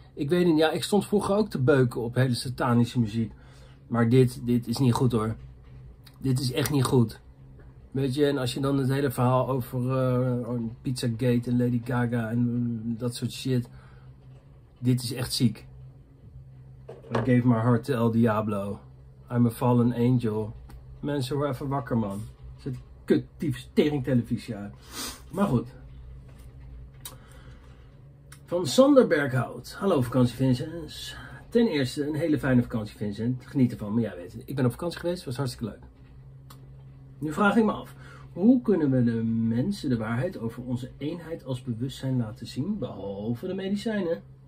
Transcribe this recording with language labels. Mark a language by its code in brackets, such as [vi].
[nl] Ik weet niet, ja, ik stond vroeger ook te beuken op hele satanische muziek. Maar dit is niet goed hoor. Dit is echt niet goed. Weet je, en als je dan het hele verhaal over Pizzagate en Lady Gaga en dat soort shit. Dit is echt ziek. [en] I gave my heart to El Diablo. I'm a fallen angel. [nl] Mensen, word even wakker man. Zet kut, tief, tering televisie uit. Maar goed. Van Sander Berghout. Hallo vakantie Vincent. Ten eerste een hele fijne vakantie Vincent. Geniet ervan, maar jij weet het. Ik ben op vakantie geweest, was hartstikke leuk. Nu vraag ik me af, hoe kunnen we de mensen de waarheid over onze eenheid als bewustzijn laten zien, behalve de medicijnen?